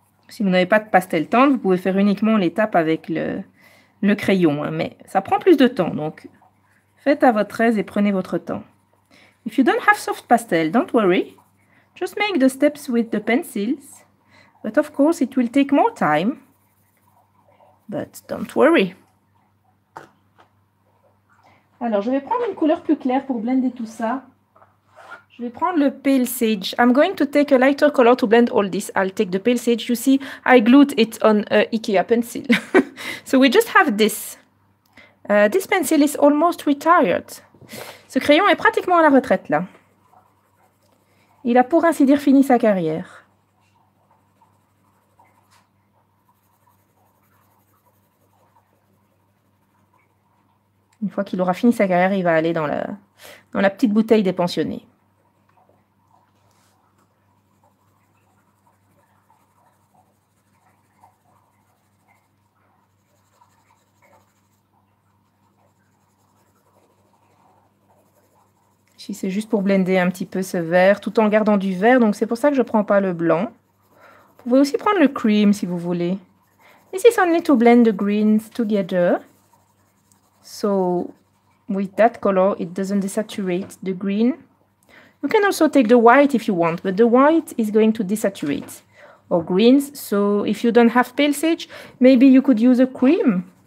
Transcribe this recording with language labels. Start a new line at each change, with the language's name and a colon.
French: Si vous n'avez pas de pastel tendre, vous pouvez faire uniquement l'étape avec le crayon, hein, mais ça prend plus de temps, donc faites à votre aise et prenez votre temps.
English: If you don't have soft pastel, don't worry. Just make the steps with the pencils. But of course, it will take more time. But don't worry.
French: Alors, je vais prendre une couleur plus claire pour blender tout ça. Je vais prendre le pale sage.
English: I'm going to take a lighter color to blend all this. I'll take the pale sage. You see, I glued it on an IKEA pencil. So we just have this. This pencil is almost retired.
French: Ce crayon est pratiquement à la retraite, là. Il a, pour ainsi dire, fini sa carrière. Une fois qu'il aura fini sa carrière, il va aller dans la petite bouteille des pensionnés. C'est juste pour blender un petit peu ce vert, tout en gardant du vert, donc c'est pour ça que je ne prends pas le blanc. Vous pouvez aussi prendre le cream si vous voulez.
English: This is only to blend the greens together. So, with that color, it doesn't desaturate the green. You can also take the white if you want, but the white is going to desaturate our greens. So, if you don't have pale sage, maybe you could use a cream.